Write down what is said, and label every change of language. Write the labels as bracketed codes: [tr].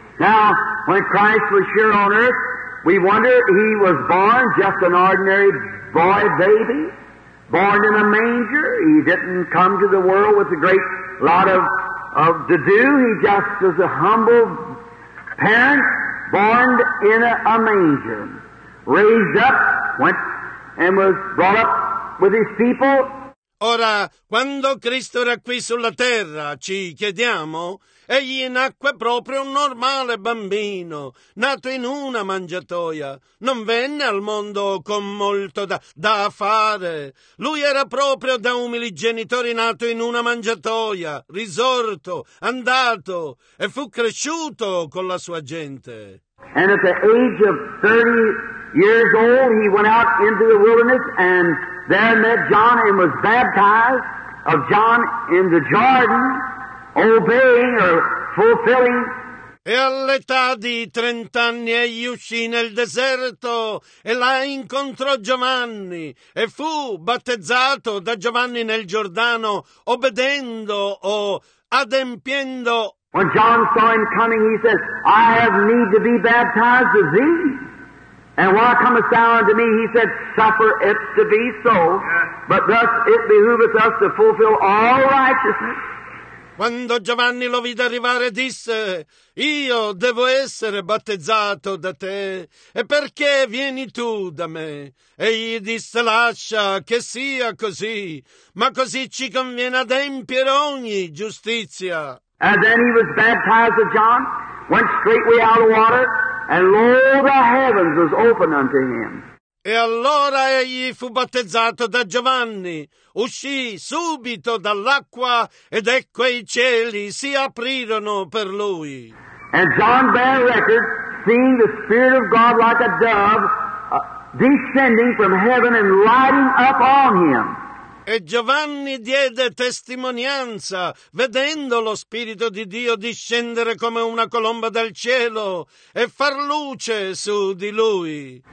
[en] Now, when Christ was here on earth, we wonder he was born just an ordinary boy baby, born in a manger. He didn't come to the world with a great lot of to do. He just was a humble parent, born in a manger, raised up, went and was brought up with his people. [it] Ora, quando Cristo era qui sulla terra, ci chiediamo, egli nacque proprio un normale bambino, nato in una mangiatoia. Non venne al mondo con molto da fare. Lui era proprio da umili genitori, nato in una mangiatoia, risorto, andato, e fu cresciuto con la sua gente. [en] And at the age of 30 years old, he went out into the wilderness and there met John and was baptized of John in the Jordan, obeying or fulfilling. [it] E all'età di 30 anni egli uscì nel deserto e là incontrò Giovanni e fu battezzato da Giovanni nel Giordano, obbedendo o adempiendo. [en] When John saw him coming, he said, I have need to be baptized of thee. And why comest thou unto me? He said, suffer it to be so, but thus it behooveth us to fulfill all righteousness. [it] Quando Giovanni lo vide arrivare, disse, io devo essere battezzato da te, e perché vieni tu da me? E gli disse, lascia che sia così, ma così ci conviene adempiere ogni giustizia. [en] And then he was baptized of John, went straightway out of water, and lo, the heavens was opened unto him. [it] E allora egli fu battezzato da Giovanni, uscì subito dall'acqua, ed ecco i cieli si aprirono per lui. [en] And John bare record, seeing the Spirit of God like a dove descending from heaven and lighting up on him. [it] E Giovanni diede testimonianza, vedendo lo Spirito di Dio discendere come una colomba dal cielo e far luce su di lui.